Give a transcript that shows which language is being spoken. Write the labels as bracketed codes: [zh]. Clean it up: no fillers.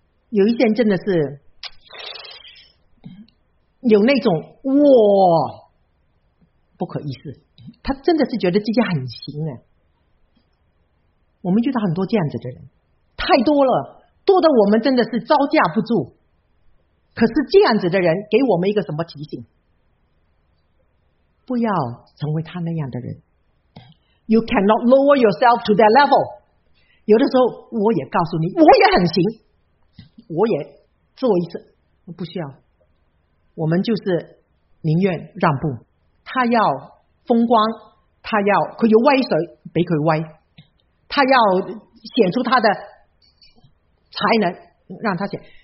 [zh] 有一些人真的是有那种哇不可一世，他真的是觉得自己很行啊。我们遇到很多这样子的人，太多了，多的我们真的是招架不住。可是这样子的人给我们一个什么提醒？不要成为他那样的人。 [en] You cannot lower yourself to that level. [zh] 有的时候我也告诉你，我也很行，我也做一次，不需要。我们就是宁愿让步，他要风光，他要他有威水，给他威，他要显出他的才能，让他显。